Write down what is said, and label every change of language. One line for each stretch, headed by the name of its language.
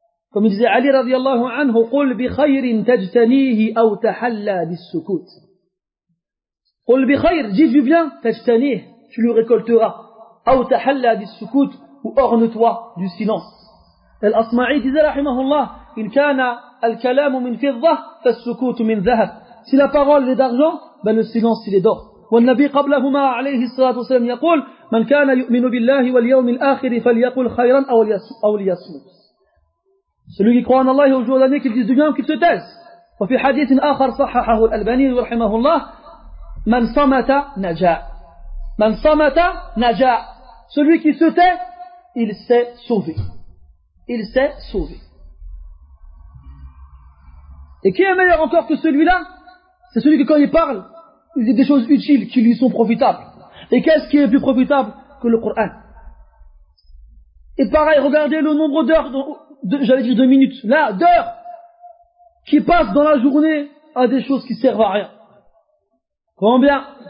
French: Comme il disait Ali radiallahu anhu, «
Arabic: قُلْ بِخَيْرٍ تَجْتَنِيهِ أَوْ تَحَلَّى بِالسُّكُوتِ » قُلْ بِخَيْرٍ,
French: dis du bien,
Arabic: تَجْتَنِيهِ,
French: tu le récolteras.
Arabic: أَوْ تَحَلَّى بِالسُّكُوتِ,
French: ou orne-toi du silence. Al-Asma'i disait, rahimahullah, «
Arabic: إِنْ كَانَ الْكَلَامُ مِنْ فِضَّةِ فَالسُّكُوتُ مِنْ ذَهَبْ
French: » Si la parole est d'argent, ben le silence il est d'or.
Arabic: والنبي قبلهما عليه الصلاة والسلام يقول من كان يؤمن بالله واليوم الآخر فليقل خيرا أو ليصمت.
French: Celui qui croit en Allah et au jour dernier, qu'il dise du bien ou qu'il se taise.
Arabic: وفي حديث آخر صححه الألباني رحمه الله من صمت نجا. من صمت نجا.
French: Celui qui se tait, il s'est sauvé. Il s'est sauvé. Et qui est meilleur encore que celui-là? C'est celui qui, quand il parle, il dit des choses utiles qui lui sont profitables. Et qu'est-ce qui est plus profitable que le Coran? Et pareil, regardez le nombre d'heures, j'allais dire de minutes, là, d'heures, qui passent dans la journée à des choses qui servent à rien. Combien?